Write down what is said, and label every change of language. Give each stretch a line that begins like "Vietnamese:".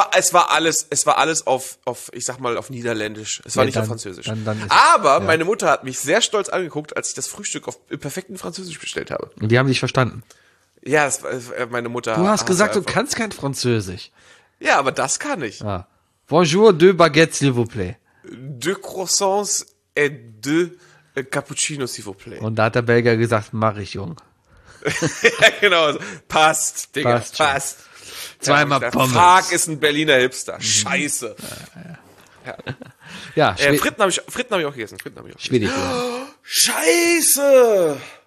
German: Es war alles auf, ich sag mal, auf Niederländisch. Es war nicht auf Französisch. Dann meine Mutter hat mich sehr stolz angeguckt, als ich das Frühstück auf perfekten Französisch bestellt habe. Und die haben dich verstanden. Ja, meine Mutter. Du hast gesagt, du kannst kein Französisch. Ja, aber das kann ich. Ah.
French: Bonjour, deux baguettes, s'il vous plaît. Deux croissants et deux cappuccinos, s'il vous plaît.
German: Und da hat der Belgier gesagt, mach ich, Jung. Ja, genau. Passt, Digga. Passt. Zweimal Pommes. Prag ist ein Berliner Hipster. Scheiße. Ja. Fritten habe ich auch gegessen. Schwierig. Oh, Scheiße.